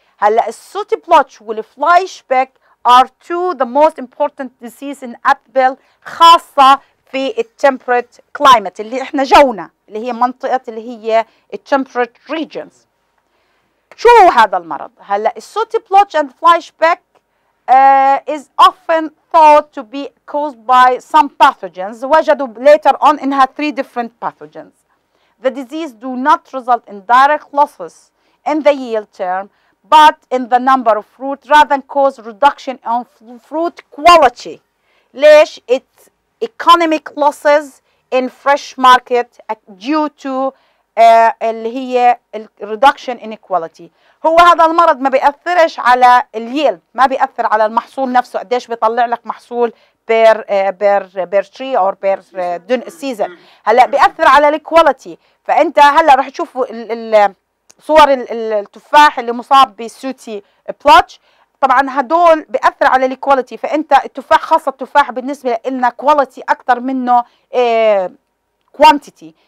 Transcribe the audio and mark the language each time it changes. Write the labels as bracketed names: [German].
[Arabic] هلا السوتي بلوتش والفلاي شبك [English] are two the most important disease in apple [Arabic] خاصة في temperate climate اللي احنا جونا اللي هي منطقة اللي هي temperate regions. شو هو هذا المرض؟ [English] هلا السوتي blotch and flyspeck is often thought to be caused by some pathogens. وجدوا later on انها three different pathogens. The disease do not result in direct losses in the yield term but in the number of fruit rather than cause reduction on fruit quality. ليش؟ It's economic losses in fresh market due to اللي هي reduction in quality. [Arabic] هو هذا المرض ما بيأثرش على اليل، ما بيأثر على المحصول نفسه قديش بيطلع لك محصول بير بير بير تري اور بير دون سيزن. هلا بيأثر على الكواليتي، فانت هلا رح تشوفوا صور التفاح اللي مصاب بسوتي بلوتش، طبعا هدول بيأثر على الكواليتي، فانت التفاح خاصه التفاح بالنسبه لنا كواليتي اكثر منه كوانتيتي.